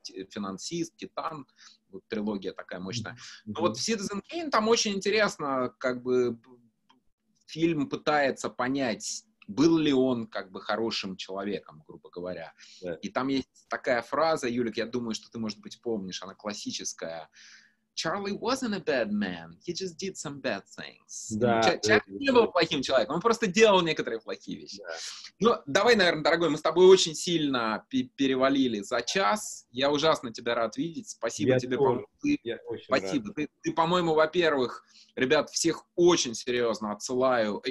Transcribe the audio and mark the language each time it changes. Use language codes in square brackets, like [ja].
[ru] Финансист, Титан, вот трилогия такая мощная. Но вот в Citizen Kane там очень интересно, как бы фильм пытается понять, был ли он как бы хорошим человеком, грубо говоря. И там есть такая фраза, Юлик, я думаю, что ты, может быть, помнишь, она классическая. [en] Charlie wasn't a bad man, he just did some bad things. [ru] Чарли не был плохим человеком, он просто делал некоторые плохие вещи. Ну, давай, наверное, дорогой, мы с тобой очень сильно перевалили за час. Я ужасно тебя рад видеть. Спасибо тебе. Спасибо. Ты, по-моему, во-первых, ребят, всех очень серьезно отсылаю.